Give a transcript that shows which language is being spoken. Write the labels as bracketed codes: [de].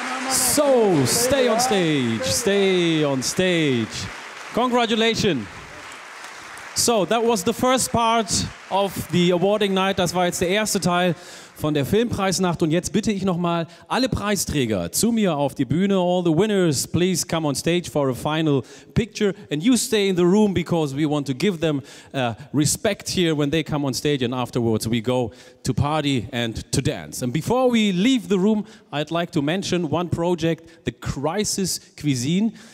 [en] So, stay on stage, stay on stage. Congratulations. So, that was the first part of the awarding night. [de] Das war jetzt der erste Teil von der Filmpreisnacht. Und jetzt bitte ich nochmal alle Preisträger zu mir auf die Bühne. [en] All the winners, please come on stage for a final picture. And you stay in the room because we want to give them respect here when they come on stage. And afterwards we go to party and to dance. And before we leave the room, I'd like to mention one project, the Crisis Cuisine.